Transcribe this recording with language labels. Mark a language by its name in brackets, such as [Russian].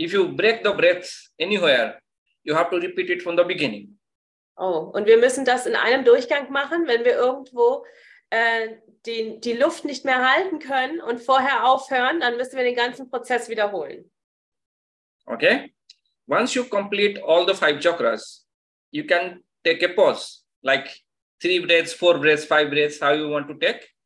[English] If you break the breath anywhere, you have to repeat it from the beginning. [German] Oh, und wir müssen das in einem Durchgang machen, wenn wir irgendwo die Luft nicht mehr halten können und vorher aufhören, dann müssen wir den ganzen Prozess wiederholen. [English] Okay. Once you complete all the five chakras, you can take a pause, like three breaths, four breaths, five breaths, how you want to take.